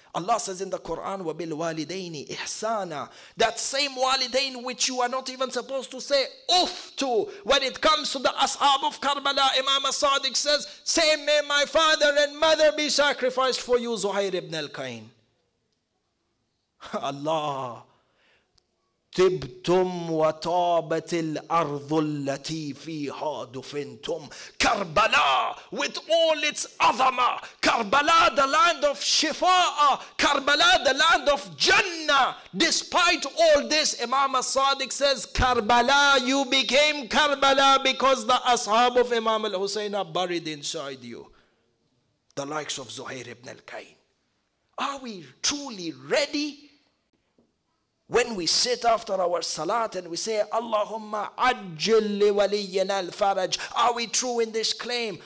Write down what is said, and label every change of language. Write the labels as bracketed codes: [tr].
[en] Allah says in the Quran, [ar] wa bil walidaini ihsana. [en] That same walidain which you are not even supposed to say uff to. When it comes to the ashab of Karbala, Imam al-Sadiq says, say may my father and mother be sacrificed for you, Zuhayr ibn al-Qayn. Allah. [ar] تبتم وطابت الأرض التي فيها دفنتم كربلاء [en] with all its [ar] عظمة كربلاء [en] the land of [ar] شفاء كربلاء [en] the land of Jannah. Despite all this, Imam al-Sadiq says كربلاء, you became كربلاء because the ashab of Imam al-Hussein are buried inside you, the likes of Zuhayr ibn al-Qayn. Are we truly ready? When we sit after our salat and we say, [ar] Allahumma ajjil li waliyyina al-faraj, [en] are we true in this claim?